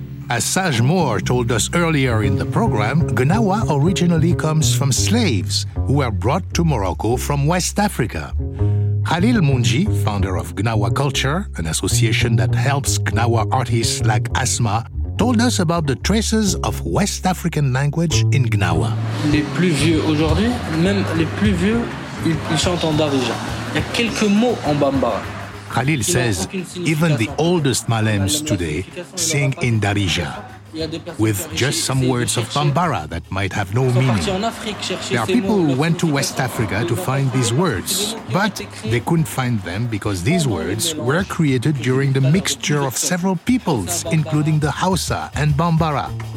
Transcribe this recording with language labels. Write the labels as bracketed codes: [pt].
[en] As Saj Moore told us earlier in the program, Ganawa originally comes from slaves who were brought to Morocco from West Africa. Khalil Munji, founder of Ganawa Culture, an association that helps Ganawa artists like Asma, told us about the traces of West African language in Ganawa. [fr] Les plus vieux aujourd'hui, même les plus vieux, ils chantent en Darija. Il y a quelques mots en Bambara. [en] Khalil says even the oldest malems today sing in Darija, with just some words of Bambara that might have no meaning. There are people who went to West Africa to find these words, but they couldn't find them because these words were created during the mixture of several peoples, including the Hausa and Bambara.